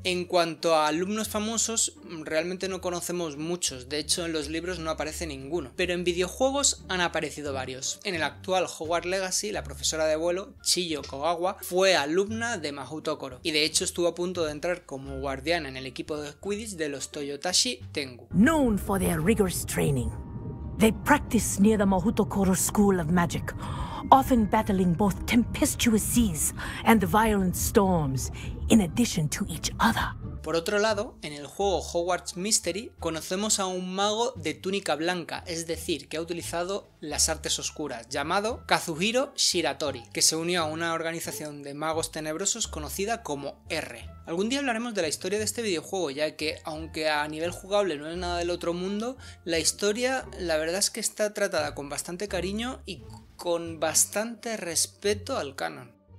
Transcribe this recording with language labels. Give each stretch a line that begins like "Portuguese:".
Spanish: En cuanto a alumnos famosos, realmente no conocemos muchos, de hecho en los libros no aparece ninguno, pero en videojuegos han aparecido varios. En el actual Hogwarts Legacy, la profesora de vuelo, Chiyo Kogawa, fue alumna de Mautokoro y de hecho estuvo a punto de entrar como guardiana en el equipo de Quidditch de los Toyotashi Tengu.
English: Known for their rigorous training. They practice near the Mautokoro School of Magic, often battling both tempestuous seas and violent storms, in addition to each other.
Spanish: Por otro lado, en el juego Hogwarts Mystery conocemos a un mago de túnica blanca, es decir, que ha utilizado las artes oscuras, llamado Kazuhiro Shiratori, que se unió a una organización de magos tenebrosos conocida como R. Algún día hablaremos de la historia de este videojuego, ya que aunque a nivel jugable no es nada del otro mundo, la historia la verdad es que está tratada con bastante cariño y con bastante respeto al canon.